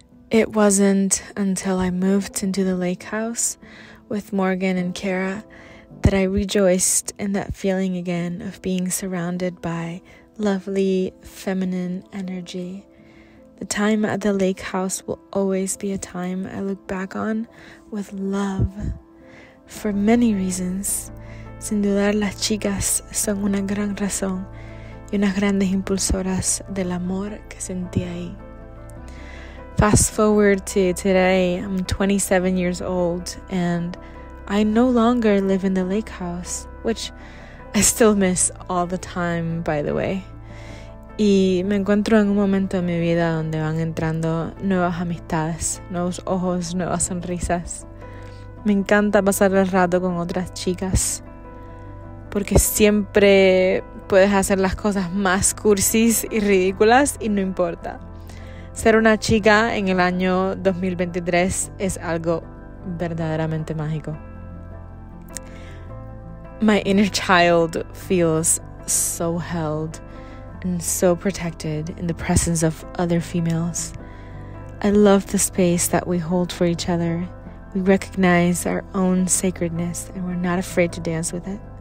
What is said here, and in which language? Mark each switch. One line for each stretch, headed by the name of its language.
English: It wasn't until I moved into the lake house with Morgan and Kara that I rejoiced in that feeling again of being surrounded by lovely feminine energy. The time at the lake house will always be a time I look back on with love. For many reasons,
Spanish: sin dudar las chicas son una gran razón y unas grandes impulsoras del amor que sentí ahí.
English: Fast forward to today, I'm 27 years old and I no longer live in the lake house, which I still miss all the time, by the way.
Spanish: Y me encuentro en un momento de mi vida donde van entrando nuevas amistades, nuevos ojos, nuevas sonrisas. Me encanta pasar el rato con otras chicas porque siempre puedes hacer las cosas más cursis y ridículas y no importa. Ser una chica en el año 2023 es algo verdaderamente mágico.
English: My inner child feels so held and so protected in the presence of other females. I love the space that we hold for each other. We recognize our own sacredness and we're not afraid to dance with it.